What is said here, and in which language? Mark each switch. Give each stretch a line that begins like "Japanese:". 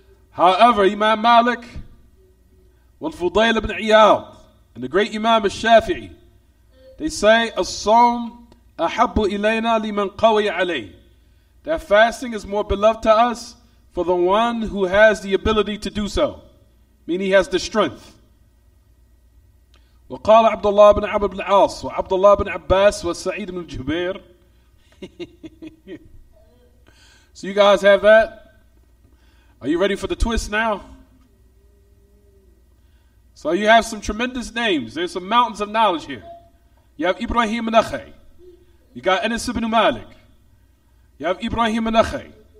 English: However, Imam Malik, والفضيل بن عياض and the great Imam الشافعي, they say
Arabic: الصوم أحب إلينا لمن قوي عليه,
English: that fasting is more beloved to us for the one who has the ability to do so, meaning he has the strength.
Arabic: وقال عبد الله بن عمرو بن العاص وعبد الله بن عباس وسعيد بن جبير.
English: So you guys have that? Are you ready for the twist now? So you have some tremendous names. There's some mountains of knowledge here. You have Ibrahim Nakhay. You got Anas ibn Malik. You have Ibrahim Nakhay.